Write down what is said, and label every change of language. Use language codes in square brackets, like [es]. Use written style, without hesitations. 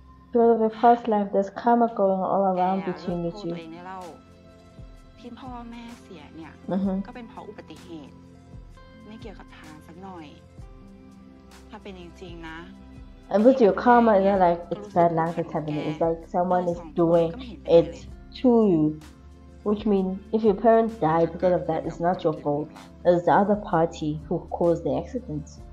[en] Because of your past life, there's karma going all around between you two. [th] ที่พ่อแม่เสียเนี่ยก็เป็นเพราะอุบัติเหตุไม่เกี่ยวกับทางสักหน่อยถ้าเป็นจริงๆนะ [en] And with your karma, you know, like, it's bad luck that's happening. It's like someone is doing it to you. Which means if your parents die because of that, it's not your fault. It's the other party who caused the accident.